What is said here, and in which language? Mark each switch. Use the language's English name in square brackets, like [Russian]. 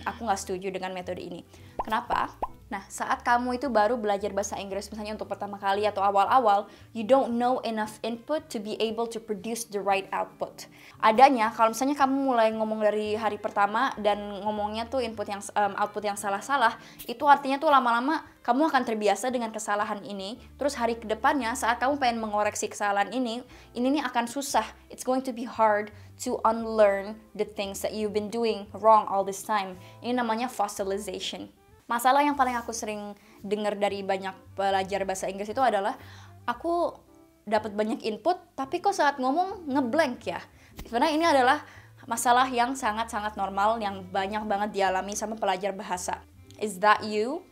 [Indonesian] Aku nggak setuju dengan metode ini. Kenapa? Nah, saat kamu itu baru belajar bahasa Inggris, misalnya untuk pertama kali atau awal-awal, [English] you don't know enough input to be able to produce the right output. [Indonesian] Adanya, kalau misalnya kamu mulai ngomong dari hari pertama dan ngomongnya tuh input yang output yang salah-salah, itu artinya tuh lama-lama kamu akan terbiasa dengan kesalahan ini, terus hari kedepannya saat kamu pengen mengoreksi kesalahan ini nih akan susah. [English] It's going to be hard to unlearn the things that you've been doing wrong all this time. [Indonesian] Ini namanya fossilization. Masalah yang paling aku sering dengar dari banyak pelajar bahasa Inggris itu adalah aku dapat banyak input tapi kok saat ngomong ngeblank ya. Sebenarnya ini adalah masalah yang sangat-sangat normal yang banyak banget dialami sama pelajar bahasa. [English] Is that you?